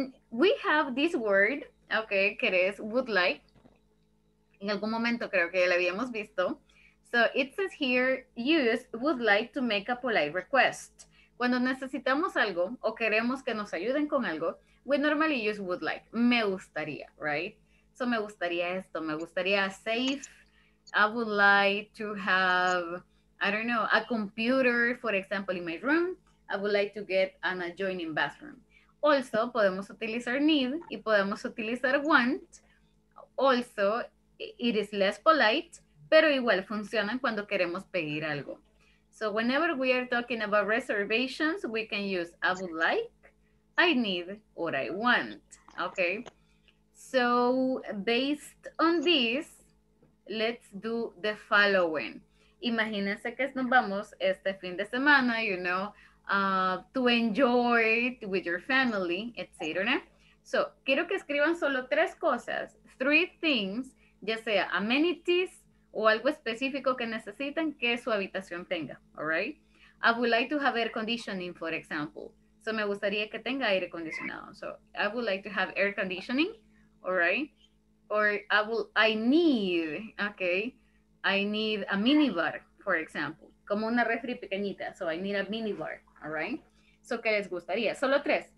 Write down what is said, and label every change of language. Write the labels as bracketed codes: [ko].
[en] We have this word, okay, [es] que es [en] would like. [es] En algún momento creo que la habíamos visto. [en] So it says here, use would like to make a polite request. [es] Cuando necesitamos algo o queremos que nos ayuden con algo, [en] we normally use would like. [es] Me gustaría, right? So me gustaría esto. Me gustaría safe. [en] I would like to have, I don't know, a computer, for example, in my room. I would like to get an adjoining bathroom. [es] Also, podemos utilizar need y podemos utilizar want. Also, [en] it is less polite, [es] pero igual funcionan cuando queremos pedir algo. [en] So whenever we are talking about reservations, we can use I would like, I need, or I want, okay? So based on this, let's do the following. [es] Imagínense que nos vamos este fin de semana, [en] you know, to enjoy it with your family, etc. [es] So quiero que escriban solo tres cosas, [en] three things, [es] ya sea amenities o algo específico que necesiten que su habitación tenga, [en] all right? I would like to have air conditioning, for example. [es] So me gustaría que tenga aire acondicionado. [en] So I would like to have air conditioning, all right? Or I need a minibar, for example. [es] Como una refri pequeñita, [en] so I need a minibar, all right? [es] So ¿qué les gustaría? Solo tres.